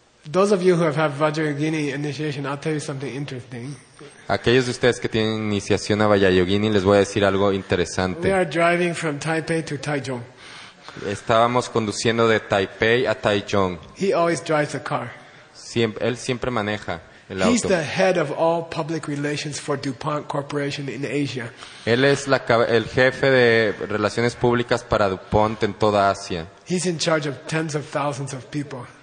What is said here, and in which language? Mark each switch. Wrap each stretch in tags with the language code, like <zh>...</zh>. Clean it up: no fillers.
<en>Those of you who have had Vajrayogini initiation, I'll tell you something interesting.</en> <es>Aquellos de ustedes que tienen iniciación a Vajrayogini, les voy a decir algo interesante.</es> <en>We are driving from Taipei to Taichung.</en> <es>Estábamos conduciendo de Taipei a Taichung.</es> <en>He always drives a car.</en> <es>Siempre, él siempre maneja el</es> <en>He's</en> <es>auto.</es> <en>He's the head of all public relations for DuPont Corporation in Asia.</en> <es>Él es el jefe de relaciones públicas para DuPont en toda Asia.</es> <en>He's in charge of tens of thousands of people.</en>